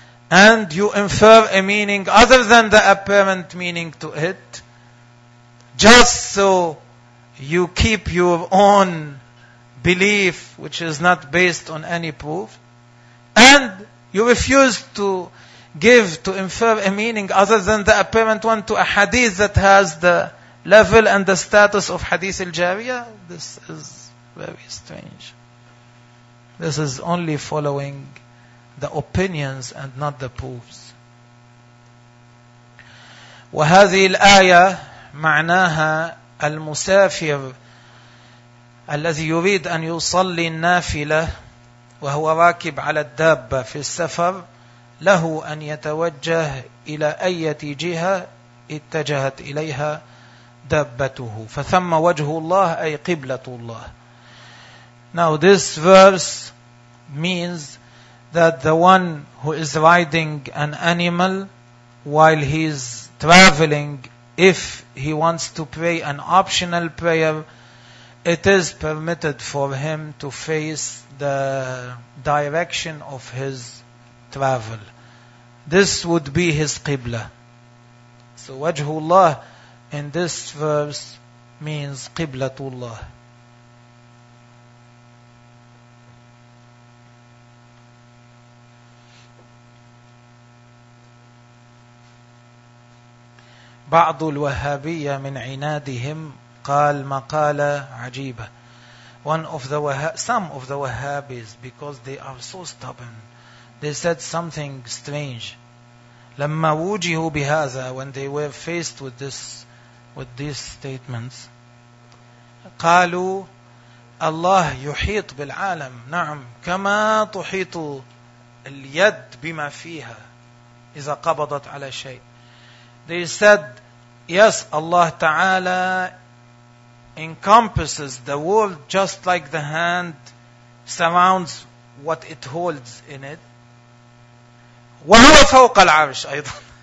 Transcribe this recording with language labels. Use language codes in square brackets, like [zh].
[en] And you infer a meaning other than the apparent meaning to it, just so you keep your own belief, which is not based on any proof, and you refuse to give, to infer a meaning other than the apparent one to a hadith that has the level and the status of hadith al-Jariya. This is very strange. This is only following the opinions and not the proofs. [ar] وهذه الآية معناها المسافر الذي يريد أن يصلي النافلة وهو راكب على الدابة في السفر له أن يتوجه إلى أي جهة اتجهت إليها دابته فثم وجه الله أي قبلة الله. [en] Now this verse means that the one who is riding an animal while he is traveling, if he wants to pray an optional prayer, it is permitted for him to face the direction of his travel. This would be his qibla. So wajhullah in this verse means qiblatullah. [ar] بعض الوهابية من عنادهم قال مقالة عجيبة. [en] One of the Wahhabis, because they are so stubborn, they said something strange. [ar] لَمَّا وُجِهُوا بِهَذَا, [en] when they were faced with this, with these statements, [ar] قَالُوا Allah يُحِيط بِالْعَالَمِ نَعْمْ كَمَا تُحِيطُ الْيَدْ بِمَا فِيهَا إِذَا قَبَضَتْ عَلَى شَيْءٍ. [en] They said, yes, Allah Ta'ala encompasses the world just like the hand surrounds what it holds in it. [ar] وَهُوَ فَوْقَ الْعَرْشِ أَيْضًا.